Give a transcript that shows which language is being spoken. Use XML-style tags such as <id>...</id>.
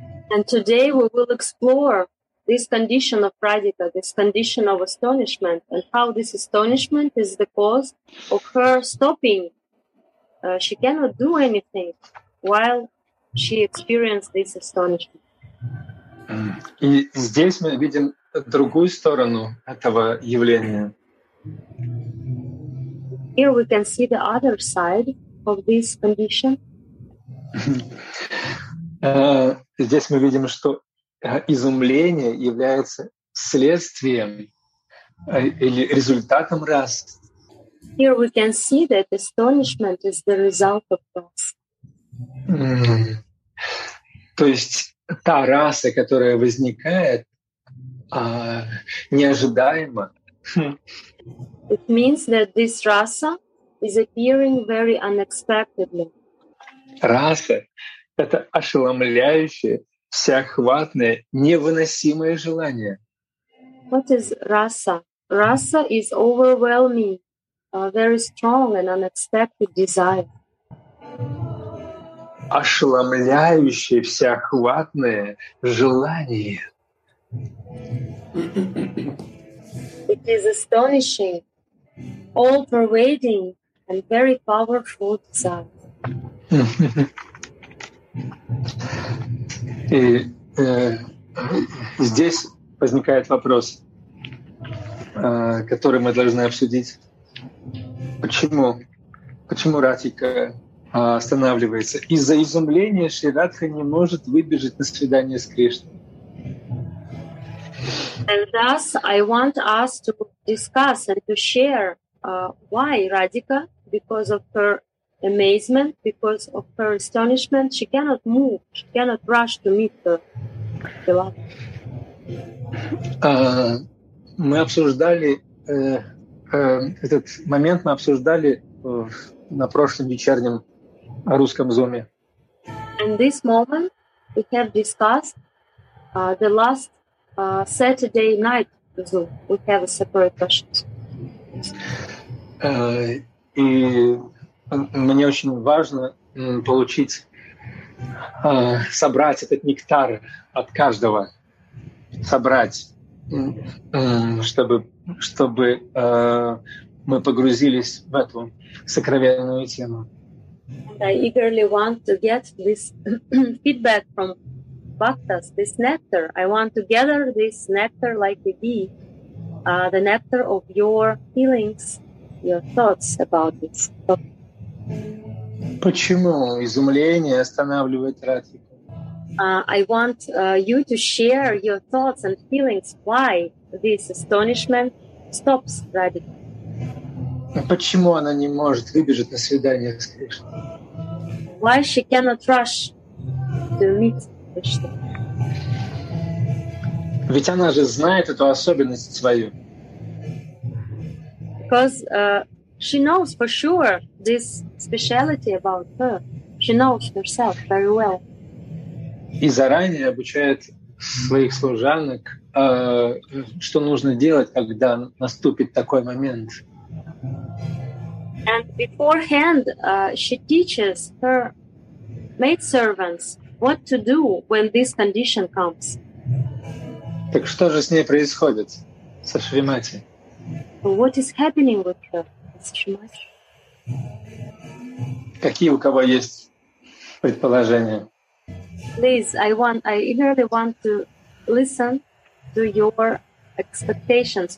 <en>And today we will explore this condition of Radhika, this condition of astonishment, and how this astonishment is the cause of her stopping. She cannot do anything while she experiences this astonishment.</en> <ru>И здесь мы видим другую сторону этого явления.</ru> <en>Here we can see the other side of this condition.</en> <ru>Здесь мы видим, что изумление является следствием или результатом рас.</ru> <en>Here we can see that astonishment is the result of rasa.</en> <ru>То есть та раса, которая возникает неожидаемо.</ru> <en>It means that this rasa is appearing very unexpectedly.</en> <ru>Раса — это ошеломляющее, всеохватное, невыносимое желание.</ru> <en>What is rasa? Rasa is overwhelming, a very strong and unexpected desire.</en> <ru>Ошеломляющее, всеохватное желание.</ru> <en>It is astonishing, all-pervading, and very powerful desire.</en> <ru>И здесь возникает вопрос, который мы должны обсудить. Почему Радхика останавливается? Из-за изумления Шри Радха не может выбежать на свидание с Кришной.</ru> <en>And thus, I want us to discuss and to share why Radhika, because of her amazement, because of her astonishment, she cannot move, she cannot rush to meet the love.</en> <ru>Мы обсуждали этот момент, мы обсуждали на прошлом вечернем русском зуме.</ru> <en>And this moment, we have discussed the last Saturday night Zoom. We have a separate session.</en> <ru>И мне очень важно получить, собрать этот нектар от каждого, чтобы мы погрузились в эту сокровенную тему.</ru> <en>And I eagerly want to get this feedback from Bhaktas, this nectar. I want to gather this nectar like a bee, the nectar of your feelings, your thoughts about this.</en> <ru>Почему изумление останавливает Радхику?</ru> <en>I want you to share your thoughts and feelings why this astonishment stops Radhika.</en> <ru>Почему она не может выбежать на свидание с Кришной?</ru> <en>Why she cannot rush to meet Кришна?</en> <ru>Ведь она же знает эту особенность свою.</ru> <en>Because she knows for sure this speciality about her. She knows herself very well.</en> <ru>И заранее обучает своих служанок, что нужно делать, когда наступит такой момент.</ru> <en>And beforehand she teaches her maidservants what to do when this condition comes.</en> <ru>Так что же с ней происходит, со Шримати?</ru> <en>What is happening with her, Шримати?</en> <ru>Какие у кого есть предположения?</ru> <en>Please, I eagerly want to listen to your expectations.</en>